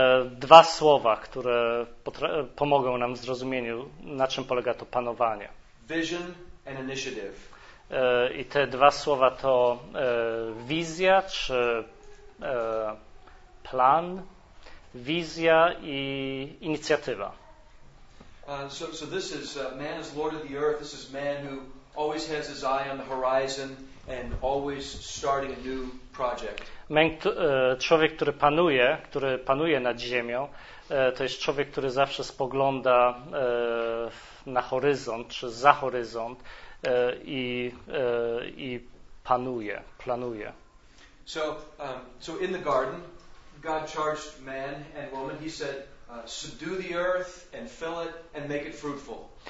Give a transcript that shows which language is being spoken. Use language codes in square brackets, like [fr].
[pl] Dwa słowa, które pomogą nam w zrozumieniu, na czym polega to panowanie. [en] Vision and initiative. [pl] I te dwa słowa to wizja czy plan, wizja i inicjatywa. [en] So this is man is lord of the earth. This is man who always has his eye on the horizon and always starting a new project. [pl] Człowiek, który panuje nad ziemią, to jest człowiek, który zawsze spogląda na horyzont czy za horyzont i panuje, planuje. [en] So in the garden, God charged man and woman. He said, subdue the earth and fill it and make it fruitful.